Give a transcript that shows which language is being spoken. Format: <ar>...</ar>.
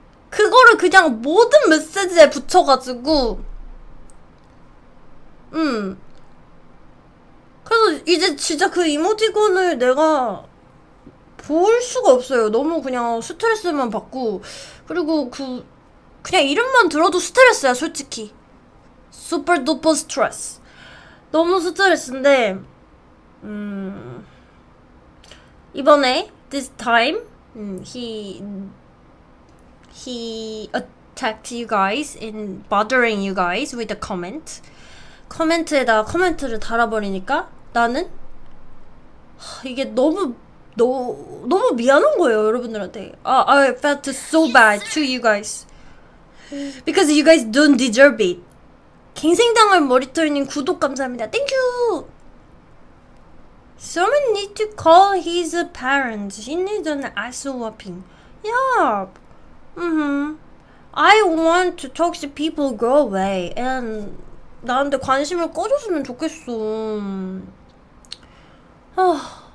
<ko>그거를 그냥 모든 메시지에 붙여가지고, 그래서 이제 진짜 그 이모티콘을 내가 볼 수가 없어요. 너무 그냥 스트레스만 받고, 그리고 그냥 이름만 들어도 스트레스야, 솔직히.</ko> <en>Super duper stress.</en> <ko>너무 스트레스인데, 이번에,</ko> <en>this time, he attacked you guys and bothering you guys with a comment.</en> <ko>코멘트에다 코멘트를 달아버리니까 나는 이게 너무 미안한 거예요, 여러분들한테.</ko> <en>I felt so bad to you guys because you guys don't deserve it.</en> <ko>갱생당할 머리털님 구독 감사합니다.</ko> <en>Thank you. Someone need to call his parents. He needs an ass whooping. Yup. I want to talk to people. Go away.</en> <ko>And 나한테 관심을 꺼줬으면 좋겠어.</ko>